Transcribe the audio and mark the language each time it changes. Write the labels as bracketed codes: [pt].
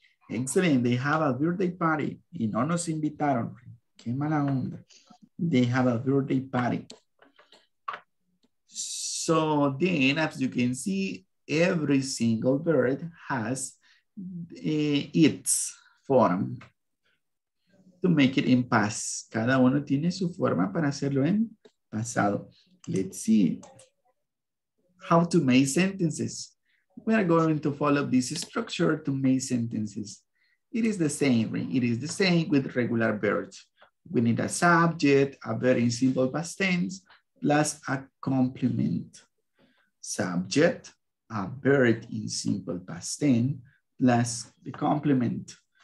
[en] Excellent. They have a birthday party. [es] Y no nos invitaron. Qué mala onda. [en] They have a birthday party. So then, as you can see, every single bird has its form to make it in past. [es] Cada uno tiene su forma para hacerlo en pasado. [en] Let's see how to make sentences. We are going to follow this structure to make sentences. It is the same, right? It is the same with regular verbs. We need a subject, a very simple past tense, plus a complement. Subject, a verb in simple past tense, plus the complement.